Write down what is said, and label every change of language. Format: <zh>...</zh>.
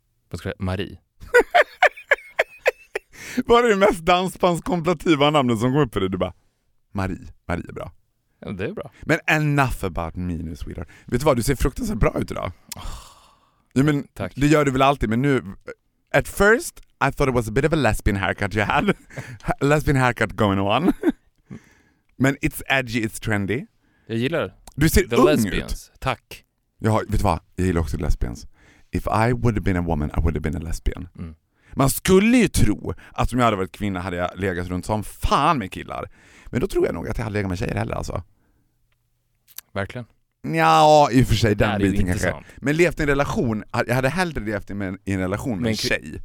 <sv>Vad ska jag säga? Marie. Vad är det mest dansbandskompatibla namnet som kommer upp för dig? Du bara, Marie är bra. Ja, det är bra.</sv> <en>Men enough about me nu, sweetheart.</en> <sv>Vet du vad, du ser fruktansvärt bra ut idag. Ja, men tack. Det gör du väl alltid, men nu...</sv> <en>At first, I thought it was a bit of a lesbian haircut you had. Lesbian haircut going on. Men it's edgy, it's trendy.</en> <sv>Jag gillar det. Du ser the ung</sv> <en>lesbians.</en> <sv>Ut. Tack. Ja, vet du vad? Jag gillar också lesbians.</sv> <en>If I would have been a woman, I would have been a lesbian. Mm.</en> <sv>Man skulle ju tro att om jag hade varit kvinna hade jag legat runt som fan med killar. Men då tror jag nog att jag hade legat med tjejer heller alltså. Verkligen? Ja, i och för sig. Den det biten kanske. Men levt i en relation. Jag hade hellre levt i en relation med en tjej.</sv>